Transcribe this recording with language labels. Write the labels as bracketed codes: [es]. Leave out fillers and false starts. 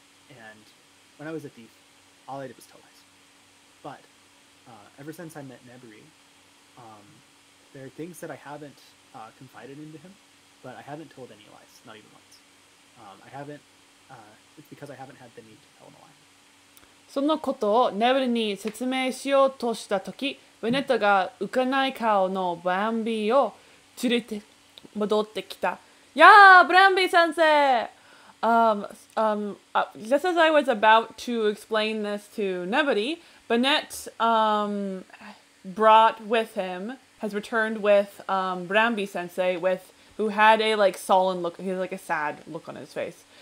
[en] And when I was a thief, all I did was tell lies. But ever since I met Nebri, there are things that I haven't confided into him, but I haven't told any lies, not even once. I haven't, it's because I haven't had the need to tell him a lie. [ja] そのことをネバリに説明しようとしたとき、ベネットが浮かない顔のブランビーを連れて戻ってきた。やあ、ブランビー先生。 [en] Just as I was about to explain this to Nebody, Bennett brought with him, has returned with Brambi-sensei, with, who had a like sullen look, he had like a sad look on his face.